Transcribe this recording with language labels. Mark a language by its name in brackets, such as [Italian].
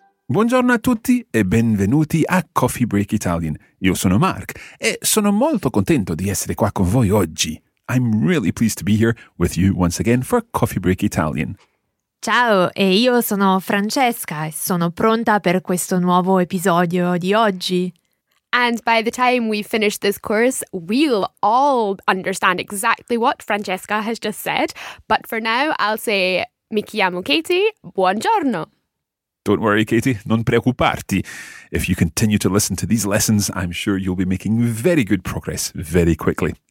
[Italian] Buongiorno a tutti e benvenuti a Coffee Break Italian. Io sono Mark e sono molto contento di essere qua con voi oggi. [English] I'm really pleased to be here with you once again for Coffee Break Italian. [Italian] Ciao, e io sono Francesca e sono pronta per questo nuovo episodio di oggi. [English] And by the time we finish this course, we'll all understand exactly what Francesca has just said. But for now, I'll say [Italian] mi chiamo Katie, buongiorno. [English] Don't worry, Katie, [Italian] non preoccuparti. [English] If you continue to listen to these lessons, I'm sure you'll be making very good progress very quickly.